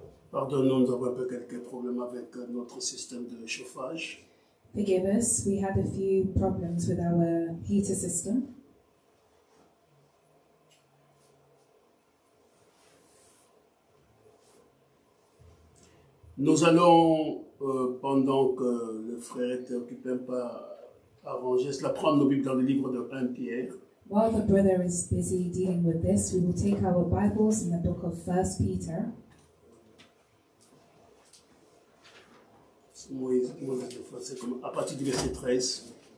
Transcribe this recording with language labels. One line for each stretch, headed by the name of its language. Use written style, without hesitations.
French: Pardon, nous avons peu quelques problèmes avec notre système de chauffage.
English: Forgive us, we had a few problems with our heater system.
French: Nous allons. Pendant que le frère était occupé par arranger cela, prendre nos Bibles dans le livre de 1 Pierre.
English: While the brother is busy dealing with this, we will take our Bibles in the book of 1 Peter.
French: Moi, je fais comme à partir du verset 13.